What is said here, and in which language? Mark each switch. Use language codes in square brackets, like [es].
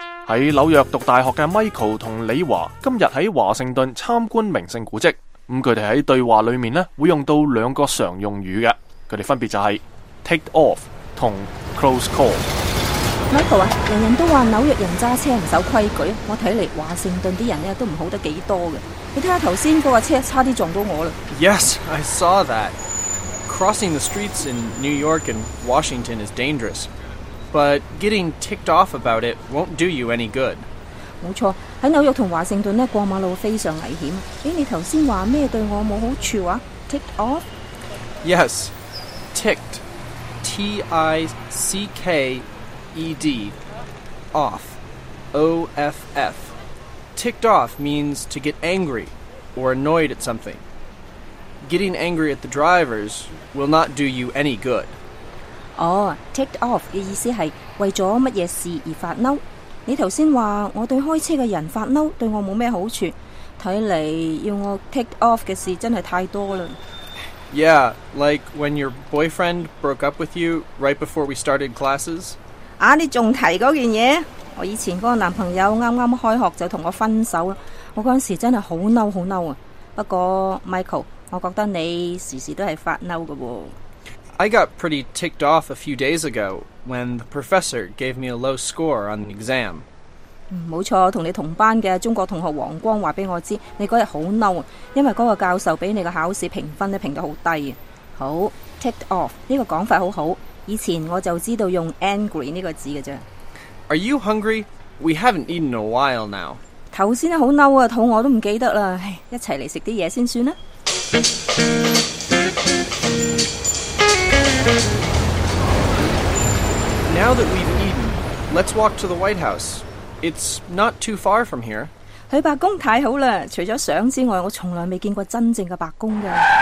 [zh] 在纽约读大学的 Michael 和李华今日在华盛顿参观名胜古迹，他们在对话里面会用到两个常用语的，他们分别就是 take off 和 close call。 Michael 啊，人人都说纽约人揸车不守规矩，我看来华盛顿的人都不好得挺多的，你看刚才那个车差点撞到我了。 [en] Yes, I saw that. Crossing the streets in New York and Washington is dangerous. But getting ticked off about it won't do you any good. [zh] 没错，在纽约和华盛顿过马路非常危险。诶，你刚才说什么对我没好处啊？ [en] Ticked off? Yes, ticked. T-I-C-K-E-D. Off. O-F-F. Ticked off means to get angry or annoyed at something. Getting angry at the drivers will not do you any good. [zh] 哦、oh, ,ticked off 的意思是为了什么事而发怒。你刚才说我对开车的人发怒对我没什么好处，看来要我 ticked off 的事真的太多了。 [en] Yeah, like when your boyfriend broke up with you right before we started classes. [zh] 啊，你还提那件事？我以前的男朋友刚刚开学就跟我分手了，我那时真的很怒很怒。不过 Michael, 我觉得你时时都是发怒的。 [en] I got pretty ticked off a few days ago when the professor gave me a low score on the exam. [zh] 没错，和你同班的中国同学王光告诉我，你那天很怒，因为那个教授给你的考试评分评得很低。好， ticked off 这个讲法很好，以前我就知道用 angry 这个字而已。 [en] Are you hungry? We haven't eaten in a while now. [zh] 刚才很怒，肚子我都不记得了，一起来吃点东西先算吧。 [en] Now that we've eaten, let's walk to the White House. It's not too far from here. [zh] 去白宫太好了，除了相之外，我从来没见过真正的白宫的。